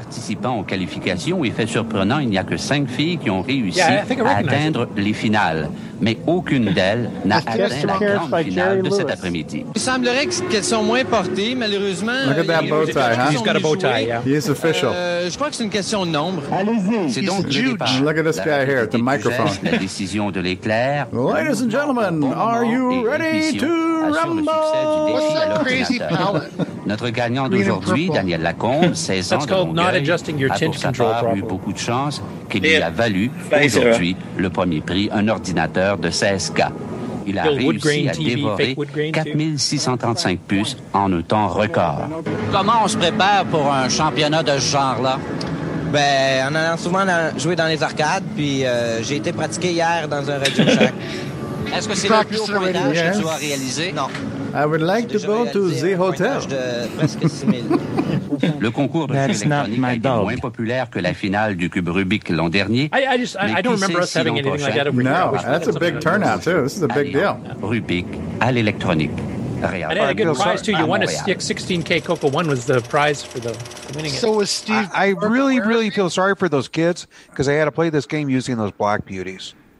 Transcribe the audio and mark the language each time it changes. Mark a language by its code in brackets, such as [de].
[fr] Participants en qualification, effet surprenant, il n'y a que 5 filles qui ont réussi à atteindre les finales. Mais aucune d'elles n'a atteint la grande finale de cet après-midi. Il semblerait qu'elles sont moins portées, malheureusement. [en] Look at that bow tie, huh? He's got a bow tie, yeah. He is official. [fr] Je crois que c'est une question de nombre. C'est donc le départ. [en] Look at this guy here, the microphone. [fr] La décision de l'éclair. [en] Ladies and gentlemen, are you ready to rumble? What's that crazy palette? [fr] Notre gagnant d'aujourd'hui, Daniel Lacombe, 16 ans de Montgueuil, a pour sa part eu beaucoup de chance qui lui a valu aujourd'hui le premier prix, un ordinateur de 16K. Il a réussi à dévorer 4635 puces en un temps record. Comment on se prépare pour un championnat de ce genre-là? Ben, en allant souvent jouer dans les arcades, puis j'ai été pratiqué hier dans un Radio Shack. Est-ce que c'est le plus haut pointage que tu as réalisé? Non. [en] I would like to go to the hotel. [fr] Le concours de jeux électroniques est moins populaire que la finale du cube Rubik l'an dernier. [en] I don't remember us having anything like that. No, that's a big turnout too. This is a big deal. [fr] Rubik à l'électronique. [en] And had a good prize too. You won a 16K Coco One was the prize for the winning it. So was Steve. I really, really feel sorry for those kids because they had to play this game using those black beauties.